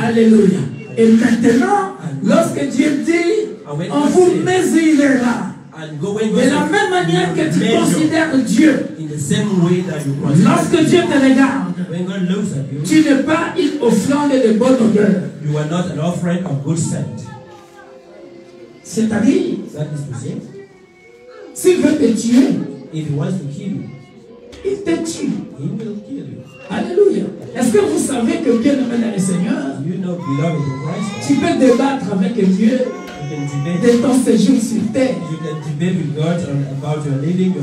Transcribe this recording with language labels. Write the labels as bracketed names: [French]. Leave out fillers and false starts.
[French] Alléluia. Et maintenant, lorsque Dieu dit, on vous mesurera. De la même manière que tu considères Dieu. [English] In the same way that you consider. [French] Lorsque Dieu te regarde, [English] when God looks at you, [French] tu n'es pas une offrande de bonne odeur. [English] You are not an offering of good scent. [French] C'est-à-dire, s'il veut te tuer, [English] if he wants to kill you, [French] il te tue. [English] He will kill you. [French] Alléluia. Est-ce que vous savez que Dieu nomme le Seigneur? [English] You know, beloved in Christ, [French] tu peux débattre avec Dieu de ton séjour sur terre. [English] You can debate with God about your living, your